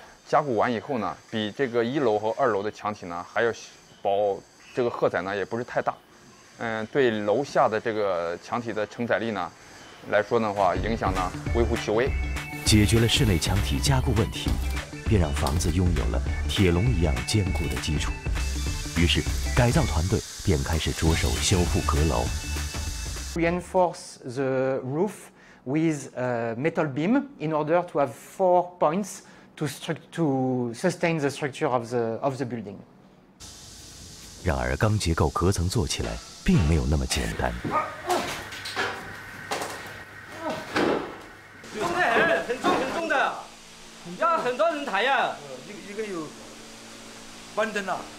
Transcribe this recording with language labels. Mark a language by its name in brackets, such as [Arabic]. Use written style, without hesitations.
[Chinese] 加固完以后呢，比这个一楼和二楼的墙体呢还要薄，这个荷载呢也不是太大，对楼下的这个墙体的承载力呢来说的话，影响呢微乎其微。解决了室内墙体加固问题，便让房子拥有了铁笼一样坚固的基础。于是，改造团队便开始着手修复阁楼。 [English] Reinforce the roof with a metal beam in order to have four points to sustain the structure of the building. [Chinese] 然而，钢结构隔层做起来并没有那么简单。要很多人抬呀，一个有关灯啊。